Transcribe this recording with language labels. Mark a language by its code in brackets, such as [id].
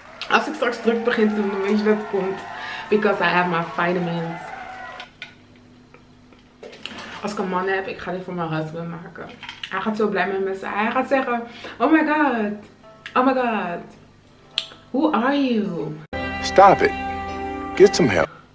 [nl] Als ik straks druk begin te doen, weet je wat komt. [en] Because I have my vitamins. [nl] Als ik een man heb, ik ga dit voor mijn husband maken. Hij gaat zo blij met me zijn. Hij gaat zeggen, [en] oh my god. Oh my god. Who are you? Stop it. Get some help.